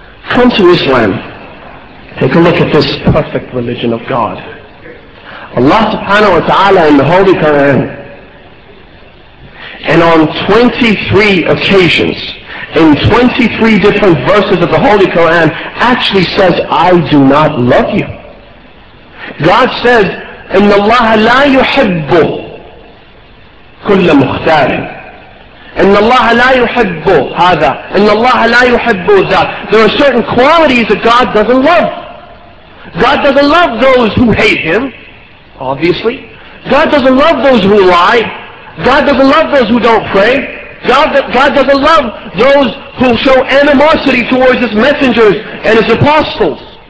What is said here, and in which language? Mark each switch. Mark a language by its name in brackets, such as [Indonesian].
[English] Come to Islam. Take a look at this perfect religion of God. Allah subhanahu wa ta'ala in the Holy Quran. And on 23 occasions, in 23 different verses of the Holy Quran, actually says, I do not love you. God says, [Arabic] إِنَّ اللَّهَ لَا يُحِبُّ كُلَّ مُخْتَارٍ إِنَّ اللَّهَ لَا يُحِبُّ هَذَا إِنَّ اللَّهَ لَا يُحِبُّ ذَا. [English] There are certain qualities that God doesn't love. God doesn't love those who hate Him, obviously. God doesn't love those who lie. God doesn't love those who don't pray. God doesn't love those who show animosity towards His messengers and His apostles.